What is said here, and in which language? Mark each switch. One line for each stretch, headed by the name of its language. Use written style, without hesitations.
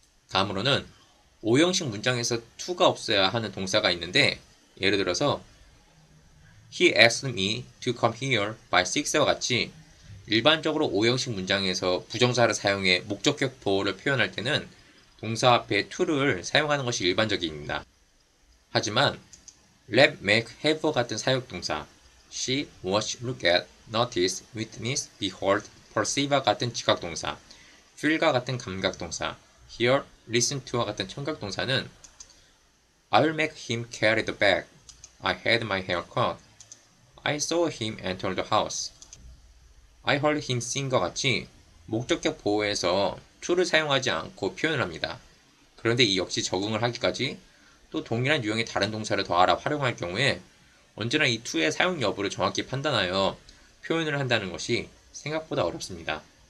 Korean: 다음으로는 오형식 문장에서 to가 없어야 하는 동사가 있는데 예를 들어서
English: He asked me to come here by 6
Korean: 와 같이 일반적으로 오형식 문장에서 부정사를 사용해 목적격 보호를 표현할 때는 동사 앞에 to를 사용하는 것이 일반적입니다. 하지만 let, make, have 같은 사역 동사 see, watch, look at, notice, witness, behold, perceive와 같은 지각 동사 feel과 같은 감각 동사 hear, listen to와 같은 청각 동사는
English: I'll make him carry the bag. I had my hair cut. I saw him enter the house. I heard him sing
Korean: 과 같이 목적격 보호에서 to를 사용하지 않고 표현을 합니다. 그런데 이 역시 적응을 하기까지 또 동일한 유형의 다른 동사를 더 알아 활용할 경우에 언제나 이 to의 사용 여부를 정확히 판단하여 표현을 한다는 것이 생각보다 어렵습니다.